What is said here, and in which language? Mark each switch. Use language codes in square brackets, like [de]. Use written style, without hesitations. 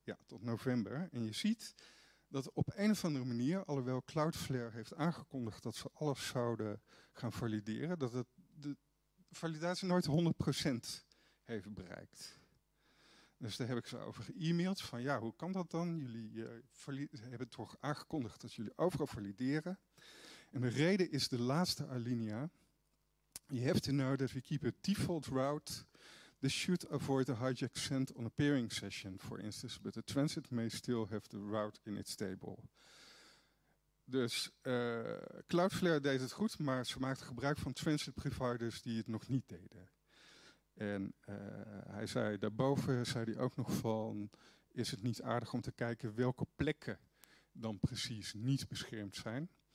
[nl] Ja, tot november. En je ziet dat op een of andere manier, alhoewel Cloudflare heeft aangekondigd dat ze alles zouden gaan valideren, dat het de validatie nooit 100% heeft bereikt. Dus daar heb ik ze over ge-e-maild van ja, hoe kan dat dan? Jullie hebben toch aangekondigd dat jullie overal valideren. En de reden is de laatste alinea. [en] You have to know that we keep a default route. This should avoid a hijack sent on a peering session, for instance, but the transit may still have the route in its table. [nl] Dus Cloudflare deed het goed, maar ze maakte gebruik van transit providers die het nog niet deden. En hij zei daarboven, zei hij ook nog van, is het niet aardig om te kijken welke plekken dan precies niet beschermd zijn.